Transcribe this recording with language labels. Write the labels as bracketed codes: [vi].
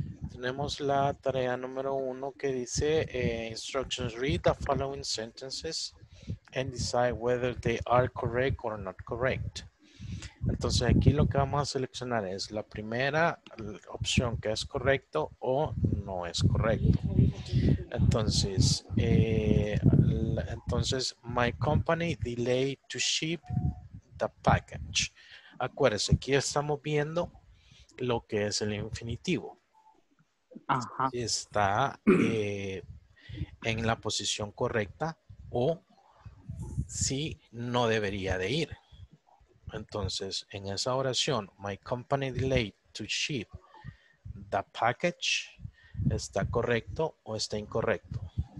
[es] Tenemos la tarea número 1 que dice [en] instructions, read the following sentences and decide whether they are correct or not correct. [es] Entonces aquí lo que vamos a seleccionar es la primera opción, que es correcto o no es correcto. Entonces, [en] my company delayed to ship the package. [es] Acuérdense, aquí estamos viendo lo que es el infinitivo. Ajá. Está en la posición correcta o si no debería de ir. Entonces, en esa oración, [en] my company delayed to ship the package, [es] ¿está correcto o está incorrecto?